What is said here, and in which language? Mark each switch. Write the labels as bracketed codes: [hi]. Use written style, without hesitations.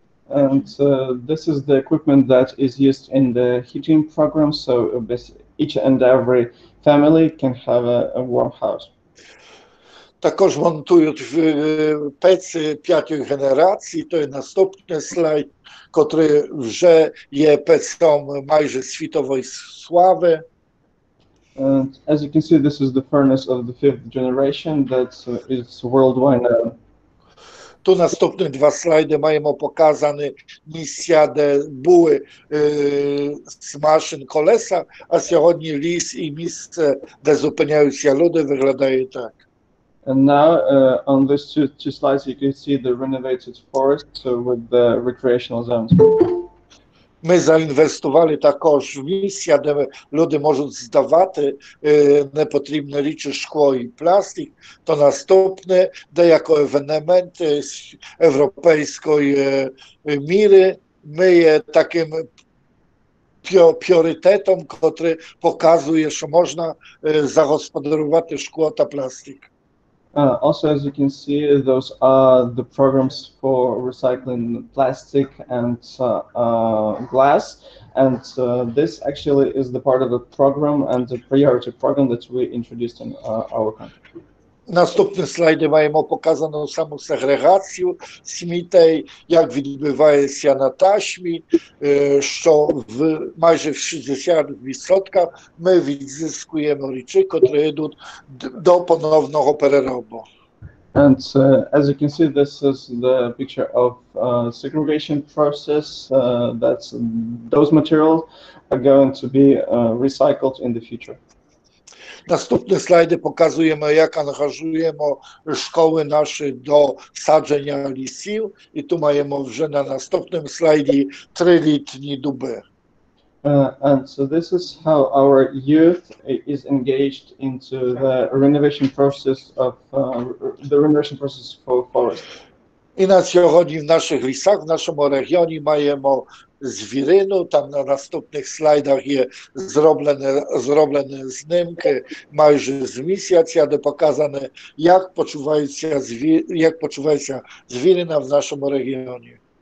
[en] And this is the equipment that is used in the heating program, so each and every family can have a warm house. [uk] Також монтують пеці п'ятої генерації. То є наступний слайд, який вже є пецом майже світової слави. [en] And as you can see, this is the furnace of the fifth generation that is worldwide. [uk] Ту наступні два слайди маємо показані місця, де були смажені колеса, а сьогодні ліс і місце, де зупиняються люди, виглядає так. [en] And now on these two slides you can see the renovated forest with the recreational zones. [uk] Ми заінвестували також в місця, де люди можуть здавати непотрібні речі, шкло і пластик. То наступне, де як евенемент європейської міри, ми є таким пріоритетом, який показує, що можна загосподарувати шкло та пластик. [en] Also, as you can see, those are the programs for recycling plastic and glass. And this actually is the part of the program and the priority program that we introduced in our country. [uk] Наступні слайди маємо показану саму сегрегацію смітей, як відбувається на ташмі, що в майже в 60% ми відзискуємо речі, які йдуть до поновного переробу. [en] And as you can see, this is the picture of segregation process, that's those materials are going to be recycled in the future. [uk] Наступні слайди показуємо, як ангажуємо школи наші до садження лісів. І тут маємо вже на наступному слайді трилітні дуби. [en] And so this is how our youth is engaged into the renovation process of the renovation process for forest. [uk] І на сьогодні в наших лісах, в нашому регіоні маємо звірину, там на наступних слайдах є зроблені знімки майже з місяця, де показане, як почувається звірина в нашому регіоні.